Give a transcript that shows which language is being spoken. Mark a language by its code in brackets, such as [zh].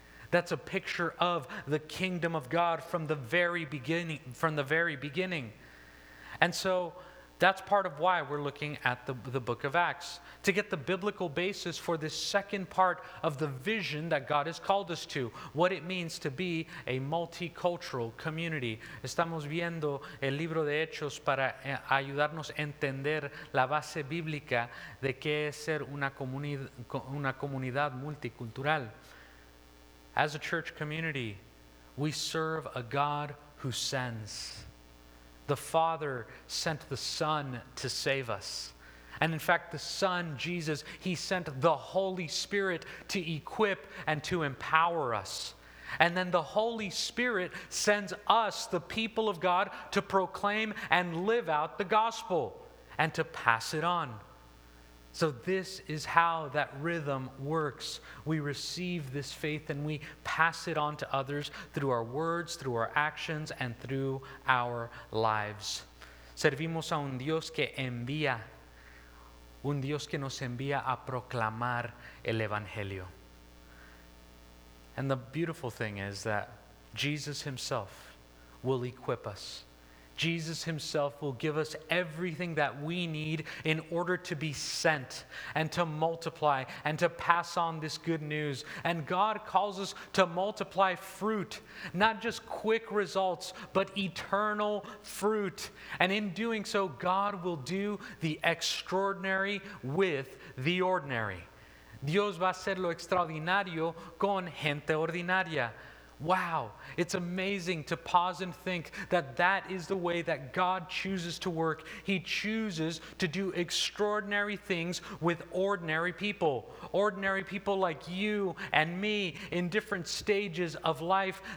[en] That's a picture of the kingdom of God from the very beginning. And so that's part of why we're looking at the book of Acts, to get the biblical basis for this second part of the vision that God has called us to, what it means to be a multicultural community. [es] Estamos viendo el libro de Hechos para ayudarnos a entender la base bíblica de qué es ser una comunidad multicultural. [en] As a church community, we serve a God who sends. The Father sent the Son to save us. And in fact, the Son, Jesus, he sent the Holy Spirit to equip and to empower us. And then the Holy Spirit sends us, the people of God, to proclaim and live out the gospel and to pass it on. So this is how that rhythm works. We receive this faith and we pass it on to others through our words, through our actions, and through our lives. [es] Servimos a un Dios que envía, un Dios que nos envía a proclamar el Evangelio. [en] And the beautiful thing is that Jesus himself will equip us. Jesus himself will give us everything that we need in order to be sent and to multiply and to pass on this good news. And God calls us to multiply fruit, not just quick results, but eternal fruit. And in doing so, God will do the extraordinary with the ordinary. [es] Dios va a hacer lo extraordinario con gente ordinaria. [en] Wow, it's amazing to pause and think that that is the way that God chooses to work. He chooses to do extraordinary things with ordinary people like you and me in different stages of life.